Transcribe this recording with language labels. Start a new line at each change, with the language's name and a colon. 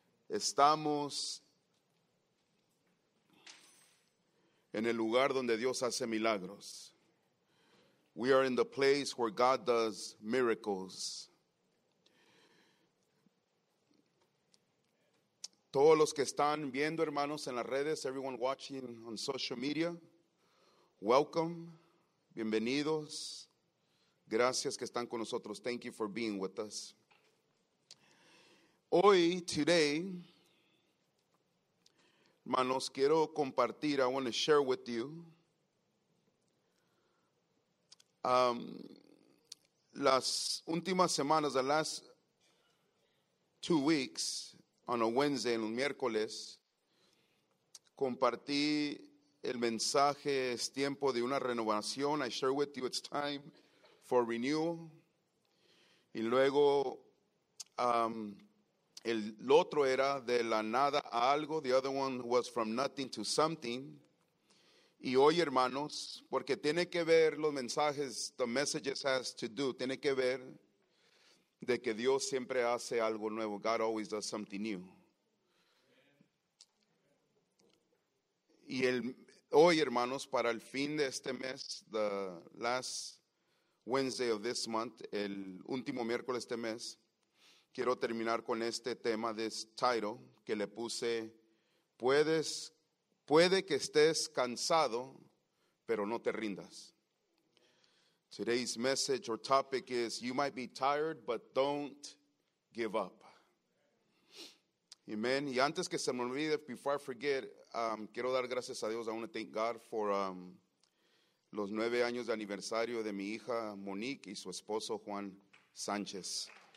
Spanish: Estamos en el lugar donde Dios hace milagros.
English: We are in the place where God does miracles.
Spanish: Todos los que están viendo, hermanos, en las redes,
English: everyone watching on social media,
Spanish: welcome, bienvenidos, gracias que están con nosotros.
English: Thank you for being with us.
Spanish: Hoy, today, hermanos, quiero compartir,
English: I want to share with you,
Spanish: las últimas semanas,
English: the last 2 weeks, on a Wednesday,
Spanish: en un miércoles, compartí el mensaje, es tiempo de una renovación.
English: I share with you, it's time for renewal.
Spanish: Y luego, el otro era de la nada a algo.
English: The other one was from nothing to something.
Spanish: Y hoy, hermanos, porque tiene que ver los mensajes,
English: the messages has to do,
Spanish: tiene que ver de que Dios siempre hace algo nuevo.
English: God always does something new.
Spanish: Y el, hoy, hermanos, para el fin de este mes,
English: the last Wednesday of this month,
Spanish: el último miércoles de este mes, quiero terminar con este tema,
English: this title,
Spanish: que le puse, puede que estés cansado, pero no te rindas.
English: Today's message or topic is, you might be tired, but don't give up. Amen.
Spanish: Y antes que se me olvide,
English: before I forget,
Spanish: quiero dar gracias a Dios.
English: I want to thank God for
Spanish: los 9 años de aniversario de mi hija Monique y su esposo Juan Sánchez.